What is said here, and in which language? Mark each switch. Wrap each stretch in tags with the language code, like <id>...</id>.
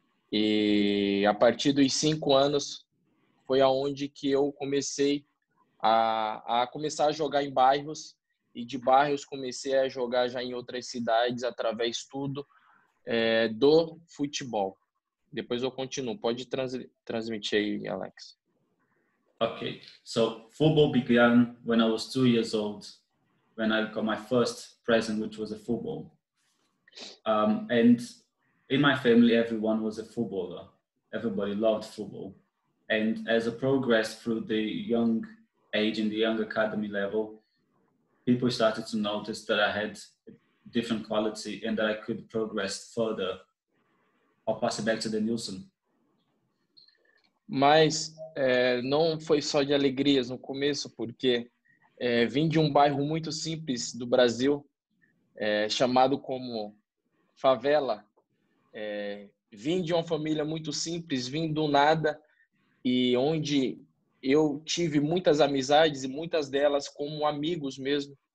<pt>E a partir dos 5 anos, foi aonde que eu comecei a começar a jogar em bairros. E de bairros comecei a jogar já em outras cidades, através tudo do futebol. Depois eu continuo. Pode transmitir aí, Alex.</pt> <en>Okay. So, football began when I was 2 years old, when I got my first present, which was a football. And in my family, everyone was a footballer. Everybody loved football. And as I progressed through the young age and the young academy level, people started to notice that I had a different quality and that I could progress further. I'll pass it back to Denilson.</en> <pt>Mas não foi só de alegrias no começo, porque vim de um bairro muito simples do Brasil, chamado como favela. Vim de uma família muito simples, vim do nada, e onde eu tive muitas amizades, e muitas delas como amigos mesmo,</pt>